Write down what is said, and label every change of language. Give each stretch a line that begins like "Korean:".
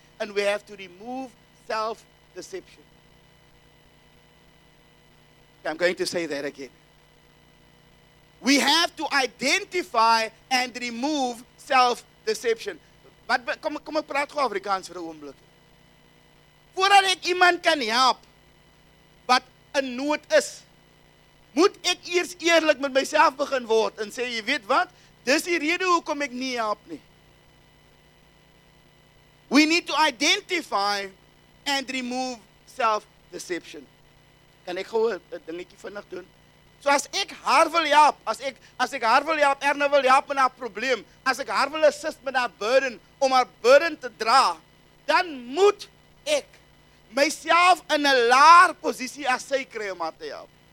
English: and we have to remove self-deception. I'm going to say that again. We have to identify and remove self-deception.
Afrikaans: Kom ek praat gou Afrikaans vir 'n oomblik. Voordat ek iemand kan help wat in nood is, moet ek eers eerlik met myself begin word en sê, jy weet wat, dis die rede hoekom ek nie help nie.
English: We need to identify and remove self-deception.
Afrikaans: Kan ek gou 'n dingetjie vinnig doen? So as ek haar wil help, as ek haar wil help, Erna wil help met haar probleem, as ek haar wil assist met haar burden, om haar burden te dra, dan moet ek myself in 'n laer posisie as sy kry om haar te help.